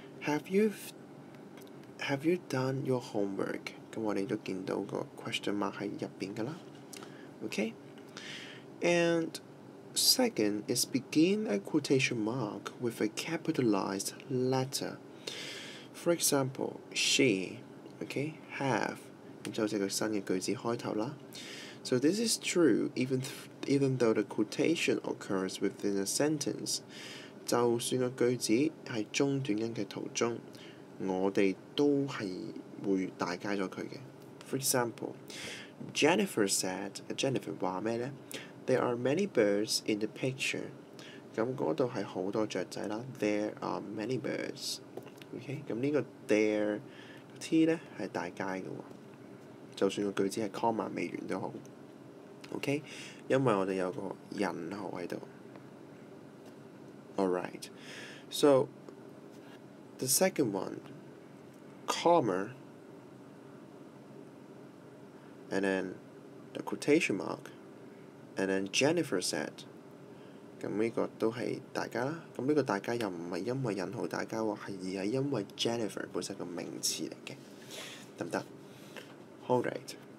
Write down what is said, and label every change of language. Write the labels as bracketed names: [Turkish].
[English] Have you done your homework? [Cantonese] 咁我哋都見到個 question mark 喺入邊噶啦。Okay. [English] And second is begin a quotation mark with a capitalized letter. For example, she, okay, have. [Cantonese] 咁就係個新嘅句子開頭啦。 [English] So this is true even though the quotation occurs within a sentence. [Cantonese] 就算個句子係中斷緊嘅途中。我哋都係會大加咗佢嘅。 [English] For example, Jennifer said, Jennifer [Cantonese] 話咩咧 [English] ？There are many birds in the picture。 [Cantonese] 咁嗰度係好多雀仔啦。 [English] There are many birds。 [Cantonese] OK， 咁呢個 there 個 T 咧係大加嘅喎。就算個句子係 comma 未完都好。 OK， 因為我哋有個引號喺度。 [English] All right, so. The second one, comma, and then the quotation mark, and then Jennifer said. [Cantonese] 咁呢個都係大家啦。咁呢個大家又唔係因為引號大家喎，係而係因為 Jennifer 本身個名詞嚟嘅，得唔得 ？All right.